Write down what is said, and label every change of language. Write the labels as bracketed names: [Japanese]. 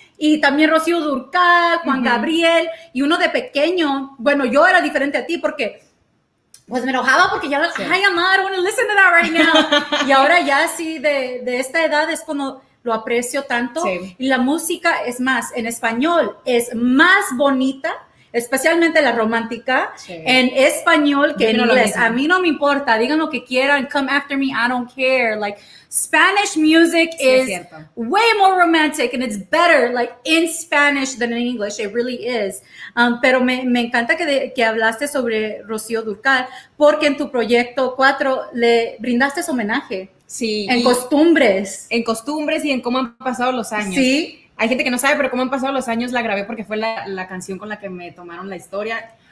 [Spanish] Y también Rocío Dúrcal, Juan Gabriel, y uno de pequeño, bueno, yo era diferente a ti porque, pues me enojaba porque ya, ay, mamá, [English] I don't want to listen to that right now. [Spanish] Y ahora ya así de esta edad es cuando lo aprecio tanto. Sí. Y la música es más, en español es más bonita, especialmente la romántica, en español que en inglés. A mí no me importa, digan lo que quieran, [English] come after me, I don't care, like, Spanish music is way more romantic and it's better like in Spanish than in English. It really is. [Spanish] Pero me encanta que hablaste sobre Rocío Dúrcal porque en tu proyecto 4 le brindaste homenaje. Sí. En Costumbres. En Costumbres y en Cómo han pasado los años. Sí. Hay gente que no sabe, pero Cómo han pasado los años la grabé porque fue la canción con la que me tomaron la historia.